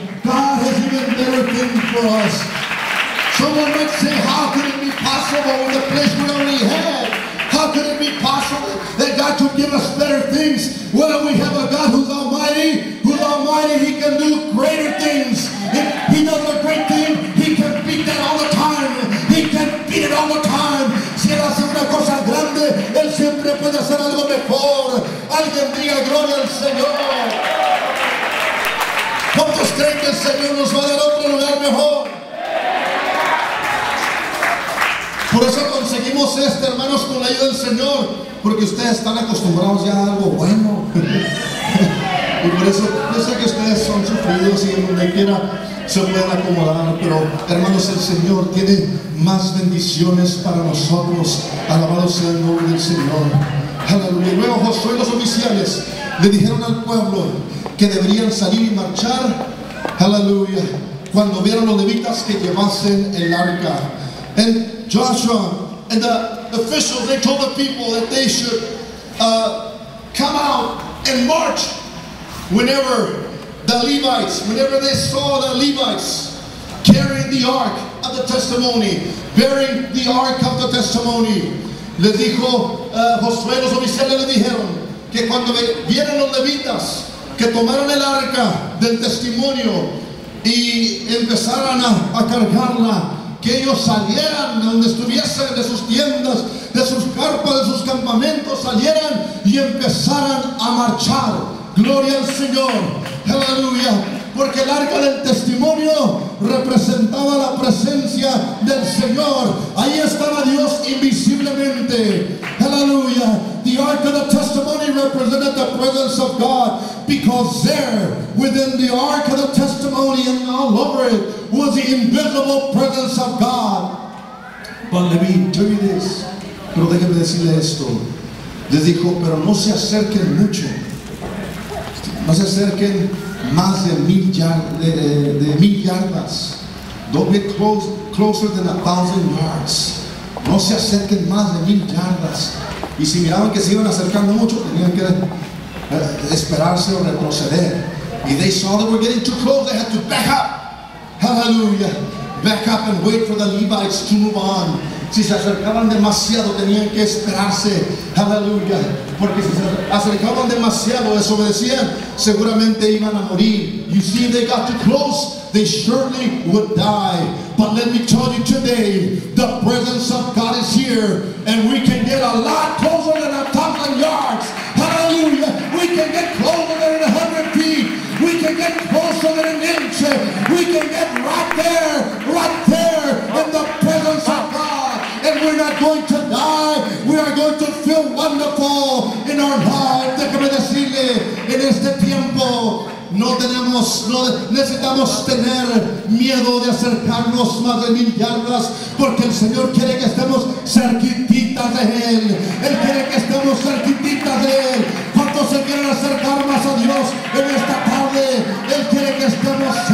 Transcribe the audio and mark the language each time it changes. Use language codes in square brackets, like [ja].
[en] God has even better things for us. Someone might say, how could it be possible in the place we already had? How could it be possible that God could give us better things? Well, we have a God who's almighty. Who's almighty, he can do greater things. If he does a great thing, he can beat that all the time. He can beat it all the time. [es] Si él hace una cosa grande, él siempre puede hacer algo mejor. Alguien diga gloria al Señor. ¿Cuántos creen que el Señor nos va a dar otro lugar mejor? Por eso conseguimos este, hermanos, con la ayuda del Señor. Porque ustedes están acostumbrados ya a algo bueno. Y por eso, yo sé que ustedes son sufridos y donde quiera se pueden acomodar. Pero, hermanos, el Señor tiene más bendiciones para nosotros. Alabado sea el nombre del Señor. Aleluya. Luego Josué y los oficiales le dijeron al pueblo que deberían salir y marchar. Aleluya. Cuando vieron los levitas que llevasen el arca. [en] And Joshua and the officials, they told the people that they should come out and march whenever the Levites, whenever they saw the Levites carrying the ark of the testimony, bearing the ark of the testimony. [es] Les dijo Josué, los oficiales le dijeron que cuando vieron los levitas que tomaron el arca del testimonio y empezaron a cargarla, que ellos salieran de donde estuviesen, de sus tiendas, de sus carpas, de sus campamentos, salieran y empezaran a marchar. Gloria al Señor. Aleluya. Porque el arca del testimonio representaba la presencia del Señor. Ahí estaba Dios invisiblemente. Aleluya. [en] The ark of the testimony represented the presence of God. Because there, within the ark of the testimony and all over it, was the invisible presence of God. But let me tell you this. [es] Pero déjeme decirle esto. Les dijo, pero no se acerquen mucho. No se acerquen más de mil yardas. [en] Don't get closer than 1,000 yards. [es] No se acerquen más de mil yardas. Y si miraban que se iban acercando mucho, tenían que esperarse o retroceder. [en] Y they saw that we're getting too close, they had to back up. Hallelujah. Back up and wait for the Levites to move on. [es] Si se acercaban demasiado, tenían que esperarse. Hallelujah. Porque si se acercaban demasiado, desobedecían, seguramente iban a morir. [en] You see, if they got too close, they surely would die. But let me tell you today, the presence of God is here, and we can get a lot closer than 1,000 yards. Hallelujah. We can get closer than 100 feet. We can get closer than an inch. We can get right there in the presence of God. And we're not going to die. We are going to feel wonderful in our life. [es] Déjame decirle, en este tiempo, no necesitamos tener miedo de acercarnos más de mil yardas, porque el Señor quiere que estemos cerquititas de Él. Él quiere que estemos cerquititas de Él. ¿Cuántos se quieren acercar más a Dios en esta tarde? Él quiere que estemos